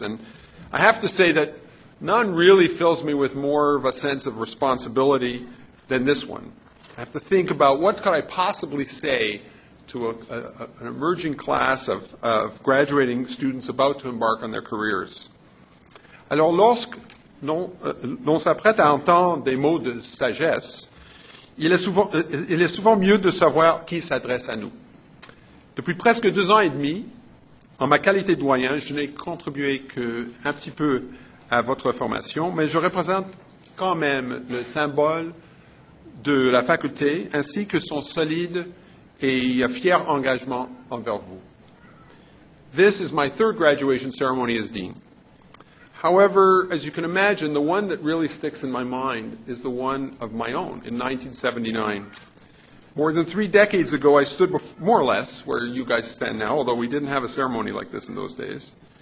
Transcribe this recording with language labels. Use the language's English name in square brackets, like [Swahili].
[English] And I have to say that none really fills me with more of a sense of responsibility than this one. I have to think about what could I possibly say to an emerging class of graduating students about to embark on their careers. [French] Alors, lorsque l'on s'apprête à entendre des mots de sagesse, il est souvent mieux de savoir qui s'adresse à nous. Depuis presque 2 ans et demi, en ma qualité de doyen, je n'ai contribué qu'un petit peu à votre formation, mais je représente quand même le symbole de la faculté, ainsi que son solide et fier engagement envers vous. [English] This is my third graduation ceremony as dean. However, as you can imagine, the one that really sticks in my mind is the one of my own in 1979. More than 3 decades ago, I stood more or less where you guys stand now, although we didn't have a ceremony like this in those days.